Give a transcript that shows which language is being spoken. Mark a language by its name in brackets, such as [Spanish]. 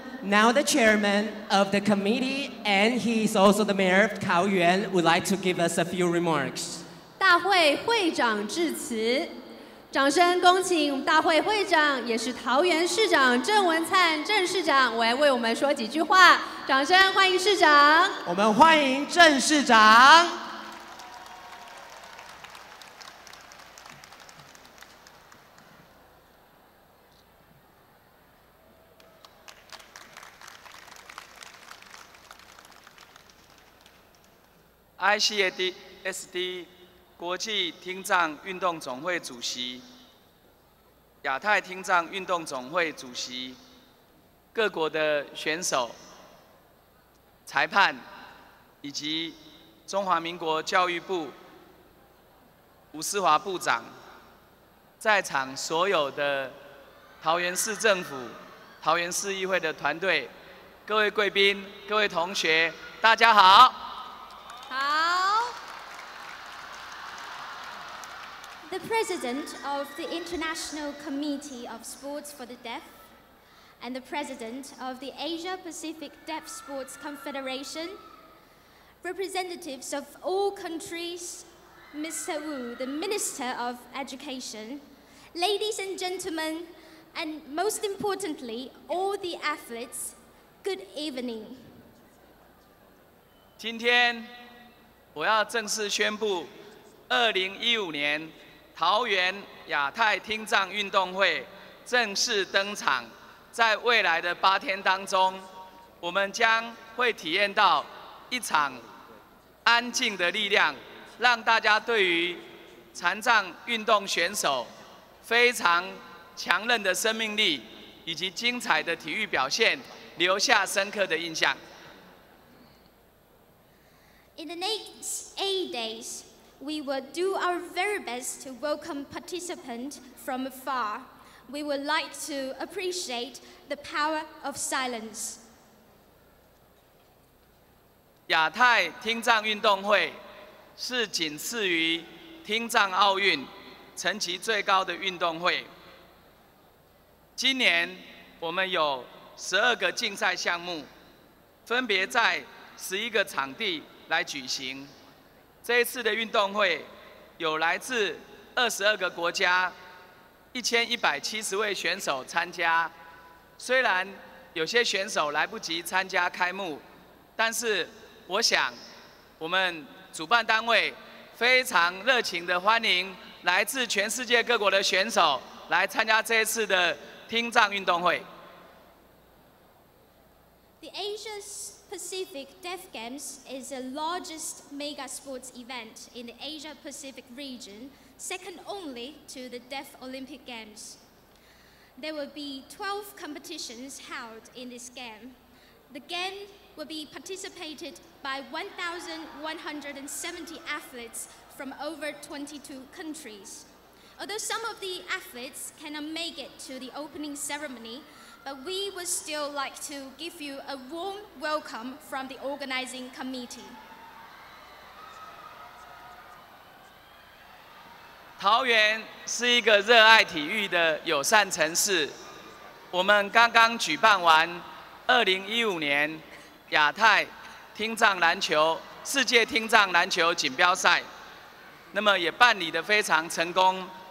[English] Now the chairman of the committee, and he's also the mayor of Kaoyuan, would like to give us a few remarks. [Chinese] 大会会长致辞，掌声恭请大会会长，也是桃园市长郑文灿郑市长来为我们说几句话。掌声欢迎市长。我们欢迎郑市长。 ICSD 国际听障运动总会主席、亚太听障运动总会主席、各国的选手、裁判，以及中华民国教育部吴思华部长，在场所有的桃园市政府、桃园市议会的团队，各位贵宾、各位同学，大家好。 [English] The President of the International Committee of Sports for the Deaf and the President of the Asia Pacific Deaf Sports Confederation, representatives of all countries, Mr. Wu, the Minister of Education, ladies and gentlemen, and most importantly, all the athletes, good evening. [Chinese] 今天我要正式宣布2015年桃园亚太听障运动会正式登场。在未来的八天当中，我们将会体验到一场安静的力量，让大家对于残障运动选手非常强韧的生命力以及精彩的体育表现留下深刻的印象。 [English] In the next 8 days,We will do our very best to welcome participants from afar. We would like to appreciate the power of silence. [Chinese] 亚太听障运动会是仅次于听障奥运层级最高的运动会。今年我们有12个竞赛项目，分别在11个场地来举行。这一次的运动会有来自22个国家1170位选手参加，虽然有些选手来不及参加开幕，但是我想我们主办单位非常热情地欢迎来自全世界各国的选手来参加这一次的听障运动会。 [English] The Asia'sPacific Deaf Games is the largest mega sports event in the Asia Pacific region, second only to the Deaf Olympic Games. There will be 12 competitions held in this game. The game will be participated by 1,170 athletes from over 22 countries. Although some of the athletes cannot make it to the opening ceremony,But we would still like to give you a warm welcome from the organizing committee. [Chinese] 桃园是一个热爱体育的友善城市。我们刚刚举办完2015年亚太听障篮球世界听障篮球锦标赛，那么也办理得非常成功。